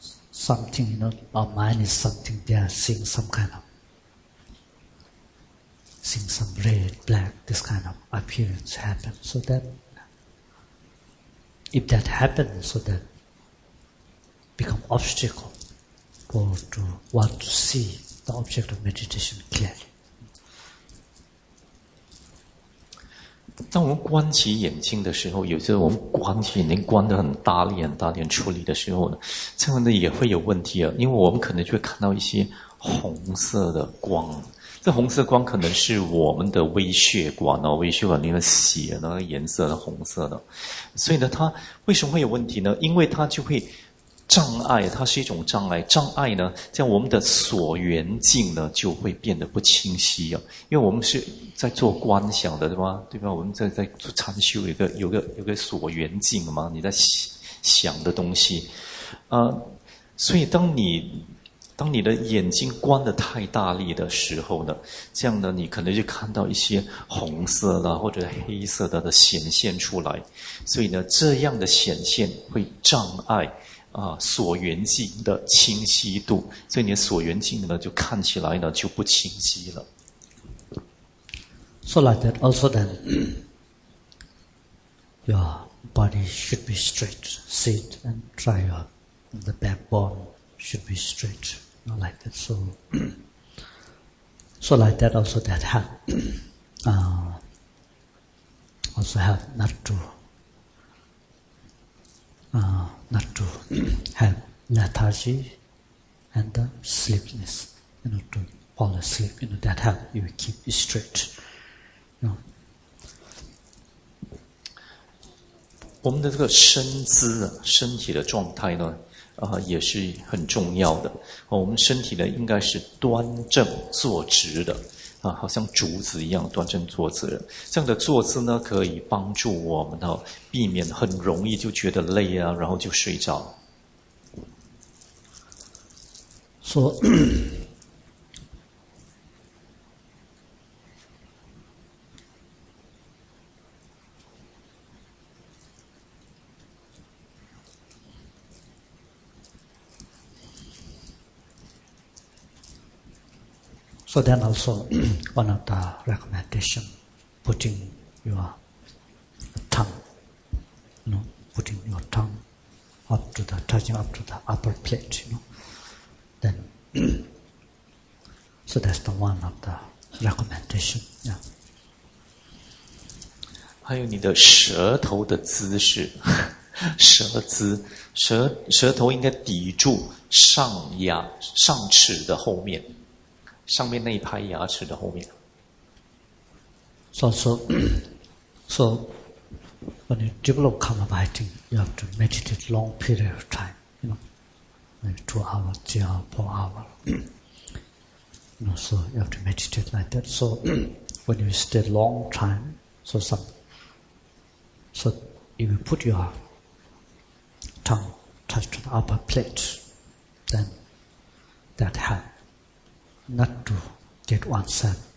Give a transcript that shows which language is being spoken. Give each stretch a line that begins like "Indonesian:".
English: Something, you know, our mind is something, they are seeing some kind of, seeing some red, black, this kind of appearance happen. So that, if that happens, so that become obstacle for to want to see the object of meditation clearly.
Chinese: 当我们关起眼睛的时候，有时候我们关起眼睛关得很大力很大力处理的时候呢，这样的也会有问题啊，因为我们可能就会看到一些红色的光，这红色光可能是我们的微血管哦，微血管里面血那个颜色的红色的，所以呢它为什么会有问题呢？因为它就会障碍，它是一种障碍，障碍呢，这样我们的所缘境呢就会变得不清晰啊，因为我们是在做观想的，对吧？对吧？我们在做禅修，有个所缘境嘛，你在想的东西，所以当你的眼睛关得太大力的时候呢，这样呢，你可能就看到一些红色的或者黑色的显现出来，所以呢，这样的显现会障碍。所缘境的清晰度，所以你的所缘境呢，就看起来呢就不清晰了。
English: So like that, also then, your body should be straight, sit and try your, the backbone should be straight, not like that. So like that, also that have, also have not to. Not to have lethargy and sleepiness, you know, to fall asleep, you know, that help you keep it straight, you know.
Chinese: 我们的这个身姿啊，身体的状态呢，也是很重要的。我们身体呢，应该是端正坐直的。好像竹子一样端正坐姿，这样的坐姿呢可以帮助我们哦，避免很容易就觉得累啊，然后就睡着。
English: So, So then also, one of the recommendations, putting your tongue, you know, putting your tongue up to the, touching up to the upper plate, you know. Then, so that's the one of the recommendation, yeah.
Chinese: 还有你的舌头的姿势，舌姿，舌头应该抵住上牙，上齿的后面。上面那一排牙齿的后面。
English: So, when you develop karma biting, you have to meditate long period of time, you know, maybe 2 hours, 3 hours, 4 hours. You know, so you have to meditate like that. So, when you stay long time, so if you put your tongue touch to the upper plate, then that helps. Not to get oneself